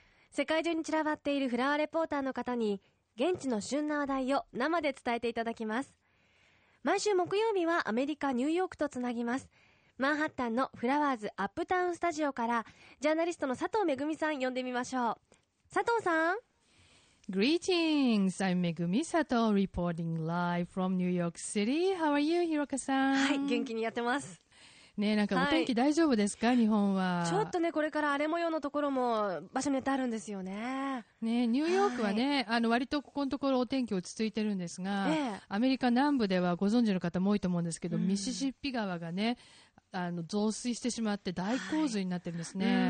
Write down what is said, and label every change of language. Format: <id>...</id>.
<ja>世界中に散らばっているフラワーレポーターの方に現地の旬な話題を生で伝えていただきます。毎週木曜日はアメリカ・ニューヨークとつなぎます。マンハッタンのフラワーズアップタウンスタジオからジャーナリストの佐藤めぐみさん呼んでみましょう。佐藤さん。</ja> <en>Greetings, I'm Megumi Sato, reporting live from New York City. How are you, Hiroka-san?</en> <ja>はい、元気にやってます。ねえ、なんかお天気大丈夫ですか、はい、日本は。ちょっとね、これから荒れ模様のところも場所によってあるんですよね。ねえ、ニューヨークはね、はい、割とここのところお天気落ち着いてるんですが、アメリカ南部ではご存知の方も多いと思うんですけど、ミシシッピ川がね、増水してしまって大洪水になってるんですね。</ja>